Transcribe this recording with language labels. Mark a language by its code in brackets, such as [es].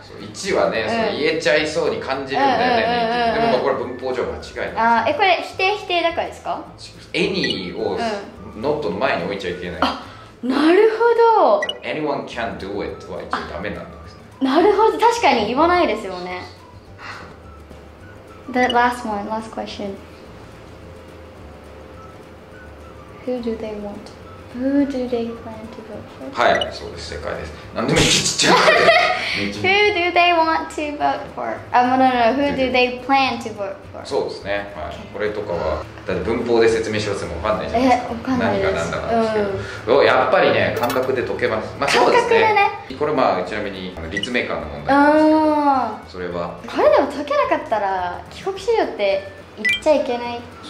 [ja] そう、1はね、うん、その言えちゃいそうに感じるんだよね。でもこれ文法上間違いない。ああ、え、これ否定否定だからですか？エニーをノットの前に置いちゃいけない、うん、あ、なるほど。 [en] Anyone can do it [ja] は一応ダメなんだ。なるほど、確かに言わないですよね。 [en] The last one, last question. Who do they want? Who do they plan to vote for? [ja] はい、そうです、正解です。なんでめっちゃちっちゃい。 [en] Who do they want to vote for? No, no, no. Who do they plan to vote for? [ja] そうですね。まあ、これとかは、だって文法で説明しろってもわかんないじゃないですか。わかんないです。何が何だかですけど、うん。やっぱりね、感覚で解けます。まあ、そうですね。感覚でね。これ、まあ、ちなみに、立命館の問題ですけど、それは。これでも解けなかったら、帰国子女って言っちゃいけない。